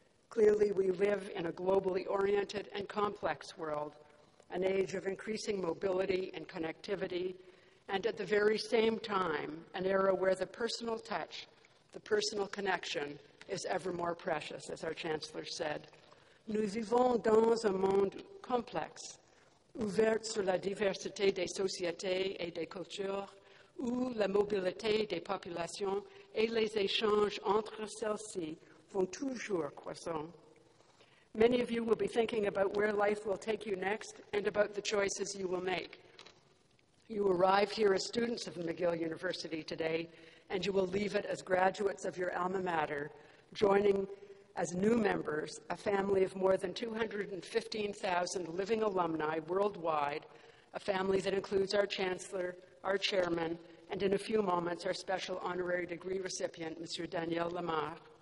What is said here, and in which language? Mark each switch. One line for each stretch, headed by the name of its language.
English: Clearly, we live in a globally oriented and complex world, an age of increasing mobility and connectivity, and at the very same time, an era where the personal touch, the personal connection, is ever more precious, as our Chancellor said.
French: Nous vivons dans un monde complexe, ouvert sur la diversité des sociétés et des cultures, où la mobilité des populations et les échanges entre celles-ci vont toujours croissant.
English: Many of you will be thinking about where life will take you next and about the choices you will make. You arrive here as students of McGill University today, and you will leave it as graduates of your alma mater, joining as new members a family of more than 215,000 living alumni worldwide, a family that includes our chancellor, our chairman, and in a few moments, our special honorary degree recipient, Monsieur Daniel Lamar.